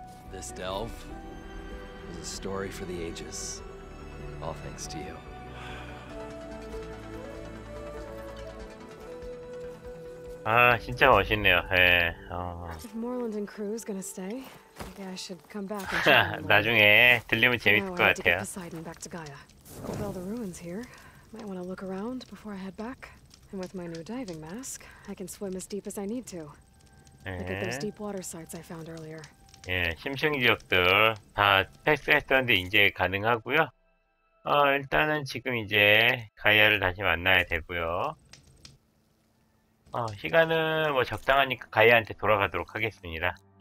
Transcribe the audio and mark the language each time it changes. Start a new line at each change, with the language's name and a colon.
English: This delve is a story for the ages. All thanks to you.
Korean: Ah, 진짜 멋있네요. 예. 네.
English: If Moreland and crew is gonna stay, maybe I should come back.
Korean: 나중에 들리면 재밌을 것 같아요.
English: I have to get Poseidon back to Gaia. With all the ruins here, might want to look around before I head back. And with my new diving mask, I can swim as deep as I need to.
Korean: 예.
English: Look at those deep water sites I found earlier.
Korean: 예, 심층 지역들 다 패스했었는데 이제 가능하고요. 일단은 지금 이제 가이아를 다시 만나야 되고요. 시간은 뭐 적당하니까 가이아한테 돌아가도록 하겠습니다.